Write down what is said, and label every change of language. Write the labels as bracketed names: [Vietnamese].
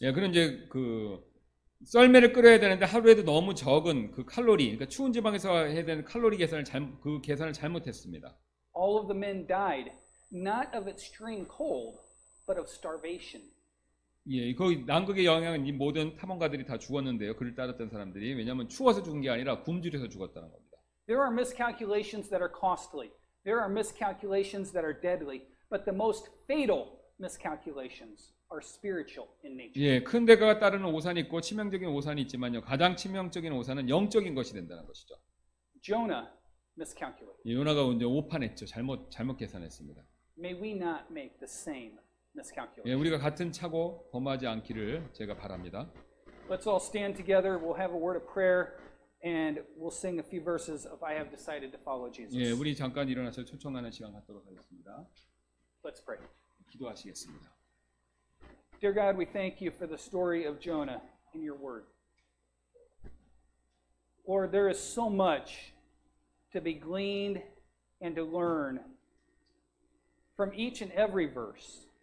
[Korean] 예, 그런 이제 그 썰매를 끌어야 되는데 하루에도 너무 적은 그 칼로리, 그러니까 추운 지방에서 해야 되는 칼로리 계산을 잘못했습니다. [English] All of the men died not of extreme cold, but of starvation. [Korean] 예, 그 남극의 영향은 이 모든 탐험가들이 다 죽었는데요. 그를 따랐던 사람들이 왜냐하면 추워서 죽은 게 아니라 굶주려서 죽었다는 겁니다. [English] There are miscalculations that are costly. There are miscalculations that are deadly. But the most fatal miscalculations are spiritual in nature. [Korean] 예, 큰 대가가 따르는 오산이 있고 치명적인 오산이 있지만요. 가장 치명적인 오산은 영적인 것이 된다는 것이죠. [English] Jonah miscalculated. [Korean] 예, 요나가 이제 오판했죠. 잘못 계산했습니다. [English] May we not make the same. [Korean] 예, 우리가 같은 착오 범하지 않기를 제가 바랍니다. [English] Let's all stand together. We'll have a word of prayer and we'll sing a few verses of I have decided to follow Jesus. [Korean] 예, 우리 잠깐 일어나서 초청하는 시간 갖도록 하겠습니다. [English] Let's pray. [Korean] 기도하시겠습니다. [English] Dear God, we thank you for the story of Jonah in your word. Lord, there is so much to be gleaned and to learn from each and every verse.